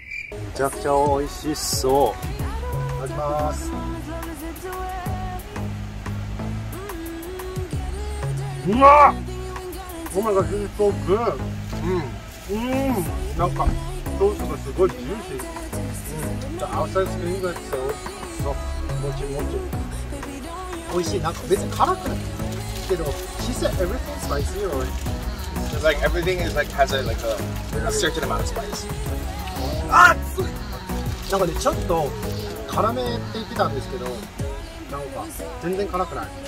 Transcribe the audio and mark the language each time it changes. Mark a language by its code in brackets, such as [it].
[ja] めちゃくちゃ美味しそう。いただきます。うまっ。おまえがヒントグー。なんかソースがすごいジューシー。 [en] The outside skin が so soft、 [ja] もちもち。おいしい。なんか別に辛くないけど、 [en] She said everything spicy or it's like everything is like has a like a certain amount of spice。 [ja] あっ、なんかね、ちょっと辛めって言ってたんですけど、なんか全然辛くない。